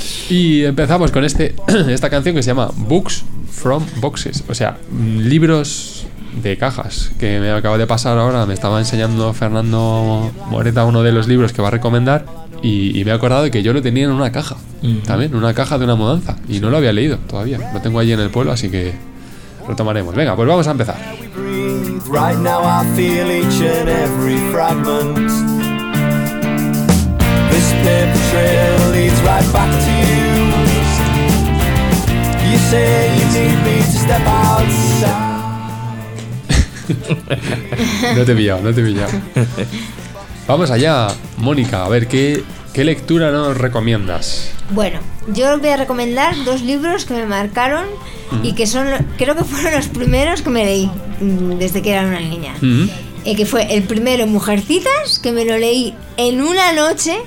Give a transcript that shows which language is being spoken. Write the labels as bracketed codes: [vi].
[es] Y empezamos con esta canción que se llama Books from Boxes, o sea, libros de cajas, que me acaba de pasar ahora. Me estaba enseñando Fernando Moreta uno de los libros que va a recomendar y me he acordado que yo lo tenía en una caja, también, una caja de una mudanza, y no lo había leído todavía, lo tengo allí en el pueblo, así que lo tomaremos. Venga, pues vamos a empezar. [en] This paper trail leads right back to you. You say you need me to step outside. [es] No te he pillado. Vamos allá, Mónica, a ver qué lectura nos recomiendas. Bueno, yo voy a recomendar dos libros que me marcaron y que son, creo que fueron los primeros que me leí desde que era una niña. Que fue el primero, Mujercitas, que me lo leí en una noche.